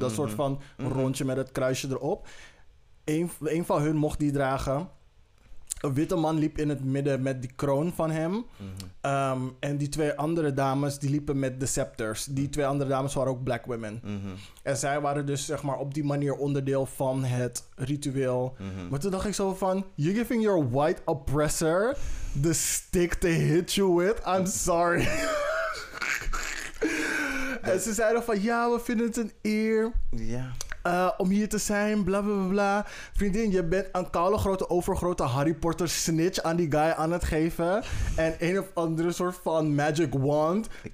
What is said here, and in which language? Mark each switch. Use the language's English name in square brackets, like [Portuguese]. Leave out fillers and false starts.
[Dutch] Dat soort van rondje met het kruisje erop. Een van hun mocht die dragen. Een witte man liep in het midden met die kroon van hem. Mm-hmm. En die 2 andere dames, die liepen met de scepters. Die 2 andere dames waren ook black women. Mm-hmm. En zij waren dus zeg maar op die manier onderdeel van het ritueel. Mm-hmm. Maar toen dacht ik zo van, [English] you're giving your white oppressor the stick to hit you with? I'm sorry. [Dutch] En ze zeiden van, ja, we vinden het een eer. Ja. Yeah. Om hier te zijn, bla bla bla. Vriendin, je bent een kale grote overgrote Harry Potter snitch aan die guy aan het geven. En een of andere soort van magic wand.